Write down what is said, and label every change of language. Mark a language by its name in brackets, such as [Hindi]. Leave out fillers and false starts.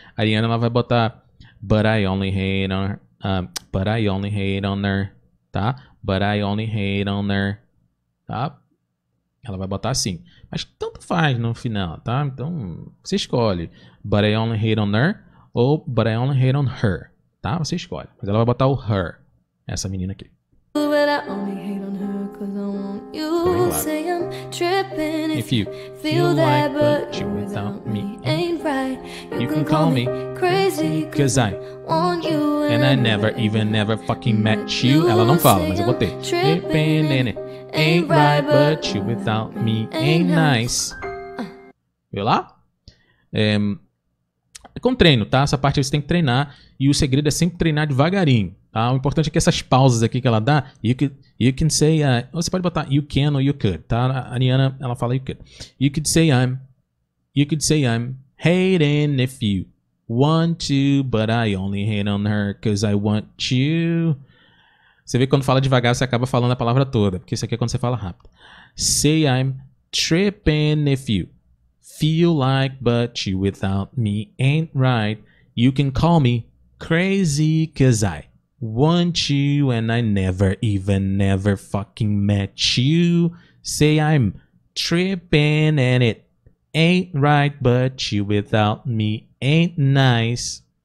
[Portuguese] A Ariana ela vai botar [English] but I only hate on her. But I only hate on her. [Portuguese] Tá? [English] But I only hate on her. Tá? [Portuguese] Ela vai botar assim. Mas tanto faz no final, tá? Então, você escolhe. [English] But I only hate on her. [Portuguese] Ou, [English] but I only hate on her, [Portuguese] tá? Você escolhe. Mas ela vai botar o her, essa menina aqui. [English] But I only hate on her cause I want you. Say I'm tripping if you feel that, but you without me ain't right. You can call me crazy cause I want you and I never even never fucking met you. [Portuguese] Ela não fala, mas eu botei. [English] Tripping and it ain't right, but you without me ain't nice. [Portuguese] Viu lá? Com treino, tá? Essa parte você tem que treinar e o segredo é sempre treinar devagarinho, tá? O importante é que essas pausas aqui que ela dá, [English] you can say, [Portuguese] você pode botar [English] you can [Portuguese] ou [English] you could, [Portuguese] tá? A Ariana, ela fala [English] you could. You could say I'm hating if you want to, but I only hate on her because I want to. [Portuguese] Você vê que quando fala devagar, você acaba falando a palavra toda, porque isso aqui é quando você fala rápido. [English] Say I'm tripping if you feel like, but you without me ain't right. You can call me crazy, cause I want you and I never even never fucking met you. Say I'm tripping and it ain't right, but you without me ain't nice.